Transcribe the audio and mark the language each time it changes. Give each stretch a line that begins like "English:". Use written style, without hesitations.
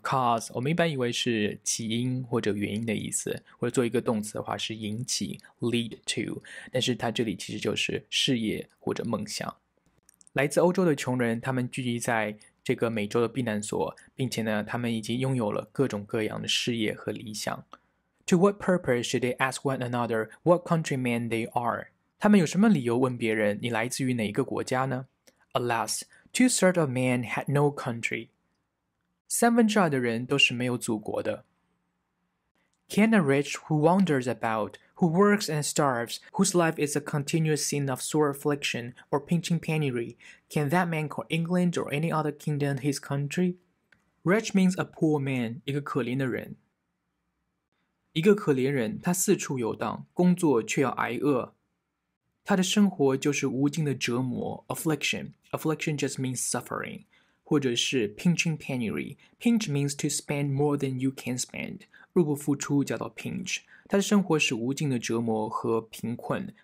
Chinese: Cause, 我们一般以为是起因或者原因的意思, 或者做一个动词的话是引起,
English: lead to,
Chinese: 但是它这里其实就是事业或者梦想. 来自欧洲的穷人, 他们聚集在这个美洲的避难所, 并且呢, 他们已经拥有了各种各样的事业和理想.
English: To what purpose should they ask one another what countrymen they are?
Chinese: 他们有什么理由问别人你来自于哪一个国家呢?
English: Alas, two-thirds of men had no country.
Chinese: 三分之二的人都是没有祖国的.
English: Can a wretch who wanders about, who works and starves, whose life is a continuous scene of sore affliction or pinching penury, can that man call England or any other kingdom his country? Wretch means a poor man,
Chinese: 一个可怜的人. 一个可怜人,他四处游荡,工作却要挨饿. 他的生活就是无尽的折磨, affliction.
English: Affliction just means suffering,
Chinese: 或者是
English: pinching penury. Pinch means to spend more than you can spend.
Chinese: 入不敷出叫做 pinch. 他的生活是无尽的折磨和贫困.